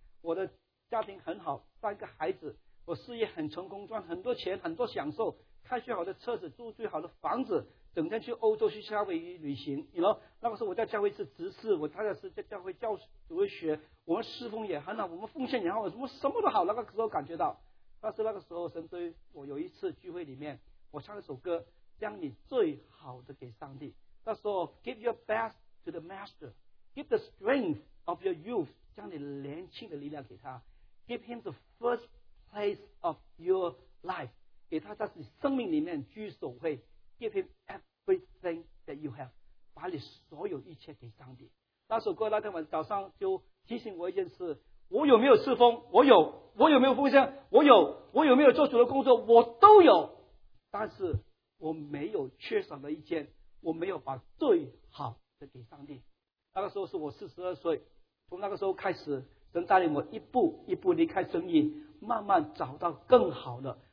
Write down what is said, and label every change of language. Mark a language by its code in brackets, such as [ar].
[zh] 我的家庭很好，三个孩子，我事业很成功，赚很多钱，很多享受，开最好的车子，住最好的房子，整天去欧洲去夏威夷旅行。你知道，那个时候我在教会是执事，我太太是在教会教主会学，我们侍奉也很好，我们奉献也好，我什么都好。那个时候感觉到，但是那个时候神对我有一次聚会里面，我唱一首歌，将你最好的给上帝。那时候 [en] Give your best to the master, Give the strength of your youth, [zh] 将你年轻的力量给他。 [en] Give him the first place of your life, [zh] 给他在你生命里面居首位。 [en] Give him everything that you have, [zh] 把你所有一切给上帝。那首歌那天晚上早上就提醒我一件事，我有没有侍奉？我有。我有没有奉献？我有。我有没有做主的工作？我都有。但是我没有缺少了一件，我没有把最好的给上帝。那个时候是我42岁，从那个时候开始，神带领我一步一步离开生意，慢慢找到更好的。